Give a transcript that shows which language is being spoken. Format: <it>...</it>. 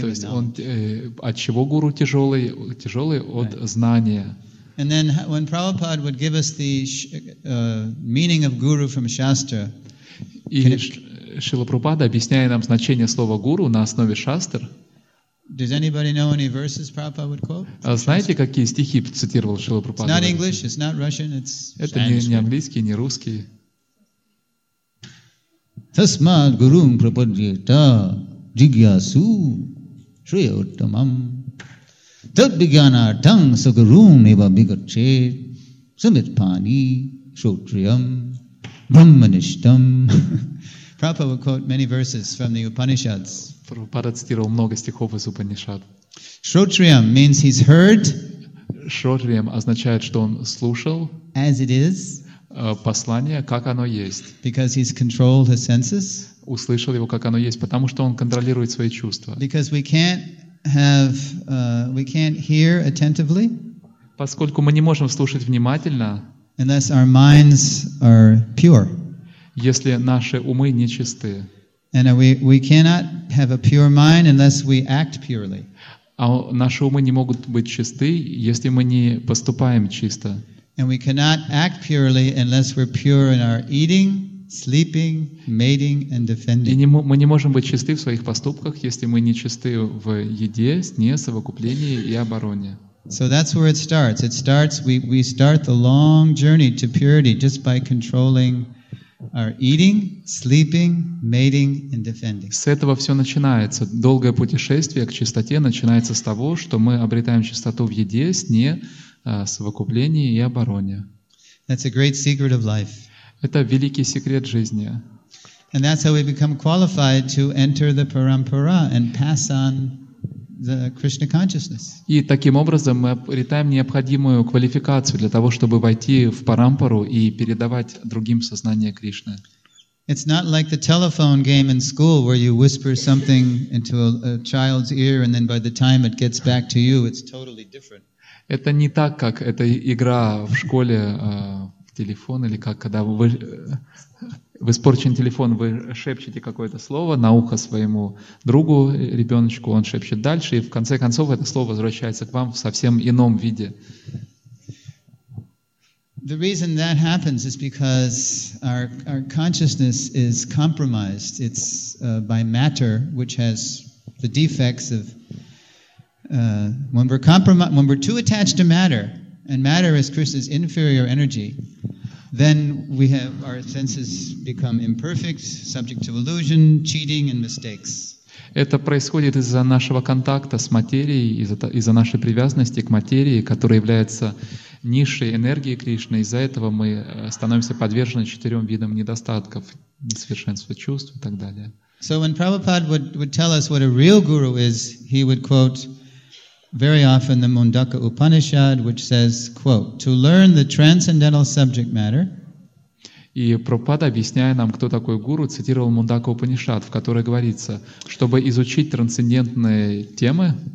<ru>то есть он от чего гуру тяжелый? Тяжелый от</ru> <en>right.</en> <ru>знания.</ru> <en>And then when Prabhupada would give us the meaning of guru from shastra.</en> <ru>И Шрила Прабхупада объясняет нам значение слова гуру на основе шастр.</ru> <en>Does anybody know any verses Prabhupada would quote?</en> <ru>Знаете, какие стихи цитировал Шрила Прабхупада?</ru> <en>It's not English. It's not Russian. It's</en> <ru>это не английский, не русский.</ru> <sa>Tasmād gurūṁ prapadyetā jigyāsū śrīya uttamam tad vijñānārthaṁ sa gurūṁ eva vigacchet samitpāni śrotriyam brahmanishtam.</sa> <en>Prabhupada would quote many verses from the Upanishads.</en> <ru>Prabhupada цитировал много стихов из Упанишад.</ru> <en>Śrotriyam means he's heard.</en> <ru>Śrotriyam означает, что он слушал.</ru> <en>As it is.</en> <ru>Послание, как оно есть.</ru> <en>Because he's controlled his senses.</en> <ru>Услышал его, как оно есть, потому что он контролирует свои чувства.</ru> <en>Because we can't have, we can't hear attentively.</en> <ru>Поскольку мы не можем слушать внимательно.</ru> <en>Unless our minds are pure.</en> <ru>Если наши умы нечисты.</ru> <en>And we cannot have a pure mind unless we act purely.</en> <ru>А наши умы не могут быть чисты, если мы не поступаем чисто.</ru> <en>And we cannot act purely unless we're pure in our eating, sleeping, mating, and defending.</en> <ru>И мы не можем быть чисты в своих поступках, если мы не чисты в еде, сне, совокуплении и обороне.</ru> <en>So that's where it starts. It starts. We start the long journey to purity just by controlling our eating, sleeping, mating, and defending.</en> <ru>С этого все начинается. Долгое путешествие к чистоте начинается с того, что мы обретаем чистоту в еде, сне. Совокуплении и обороне.</ru> <en>That's a great secret of life.</en> <ru>Это великий секрет жизни.</ru> <en>And that's how we become qualified to enter the parampara and pass on the Krishna consciousness.</en> <ru>И таким образом мы обретаем необходимую квалификацию для того, чтобы войти в парампару и передавать другим сознание Кришны.</ru> <en>It's not like the telephone game in school where you whisper something into a child's ear and then by the time it gets back to you, it's totally different.</en> <ru>Это не так, как эта игра в школе в телефон, или как, когда в испорчен телефон, вы шепчете какое-то слово на ухо своему другу, ребеночку, он шепчет дальше, и в конце концов это слово возвращается к вам в совсем ином виде.</ru> <en>The reason that happens is because our consciousness is compromised. It's by matter, which has the defects of when we're too attached to matter, and matter is Krishna's inferior energy, then we have our senses become imperfect, subject to illusion, cheating, and mistakes.</en> <ru>Это происходит из-за нашего контакта с материей, из-за нашей привязанности к материи, которая является низшей энергией Кришны. Из-за этого мы становимся подвержены четырем видам недостатков, несовершенства чувств и так далее.</ru> <en>So when Prabhupada would tell us what a real guru is, he would quote very often the Mundaka Upanishad, which says, quote, to learn the transcendental subject matter.</en> <ru>И Прабхупада, объясняя нам, кто такой гуру, цитировал Мундака Упанишад, в которой говорится, чтобы изучить трансцендентные темы.</ru>